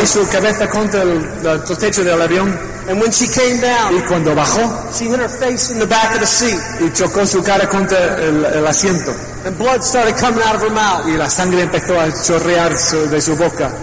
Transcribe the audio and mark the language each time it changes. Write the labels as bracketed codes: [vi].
[es] Chocó su cabeza contra el techo del avión. [en] And when she came down, [es] y cuando bajó, [en] she hit her face in the back of the seat. [es] Y chocó su cara contra el asiento. [en] And blood started coming out of her mouth. [es] Y la sangre empezó a chorrear de su boca.